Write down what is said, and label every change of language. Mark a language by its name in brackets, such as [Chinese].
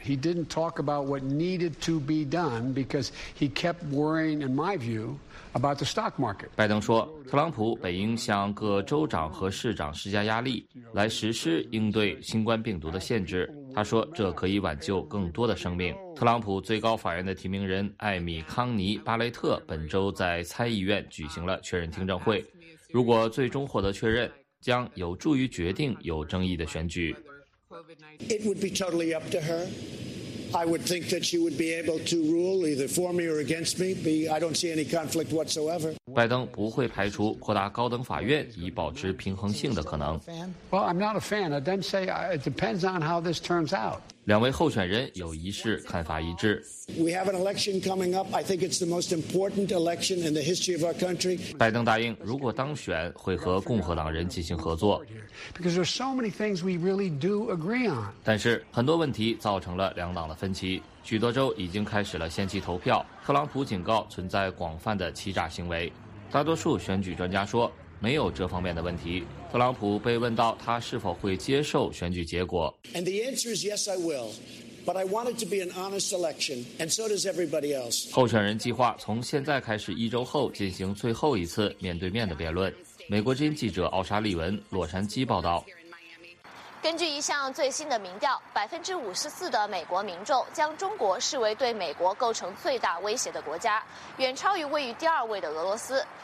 [English] He didn't talk about what needed to be done because he kept worrying, in my view, about the stock market. [Chinese] 拜登说，特朗普本应向各州长和市长施加压力，来实施应对新冠病毒的限制。他说，这可以挽救更多的生命。特朗普最高法院的提名人艾米·康尼·巴雷特本周在参议院举行了确认听证会。如果最终获得确认，将有助于决定有争议的选举。 [English] It would be totally up to her. I would think that she would be able to rule either for me or against me. I don't see any conflict whatsoever. [Chinese] 拜登不会排除扩大高等法院以保持平衡性的可能。 [English] Well, I'm not a fan. I didn't say it depends on how this turns out. [Chinese] 两位候选人有一事看法一致。 [English] We have an election coming up. I think it's the most important election in the history of our country. [Chinese] 拜登答应，如果当选，会和共和党人进行合作。 [English] Because there are so many things we really do agree on. [Chinese] 但是很多问题造成了两党的分歧。许多州已经开始了先期投票。特朗普警告存在广泛的欺诈行为。大多数选举专家说，没有这方面的问题。特朗普被问到他是否会接受选举结果。 [English] And the answer is yes, I will. But I want it to be an honest election, and so does everybody else. [Chinese] 候选人计划从现在开始一周后进行最后一次面对面的辩论。美国之音记者奥沙利文，洛杉矶报道。根据一项最新的民调，54%的美国民众将中国视为对美国构成最大威胁的国家，远超于位于第二位的俄罗斯。